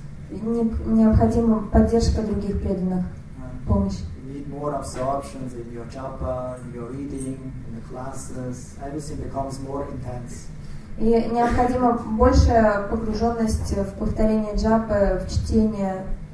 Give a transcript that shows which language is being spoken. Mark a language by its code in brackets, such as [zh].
[ru] Необходима поддержка других преданных, помощь. [en] Need more absorption in your japa, in your reading, in the classes. Everything becomes more intense. [ru] И необходимо больше погруженность в повторение джапы, в чтение.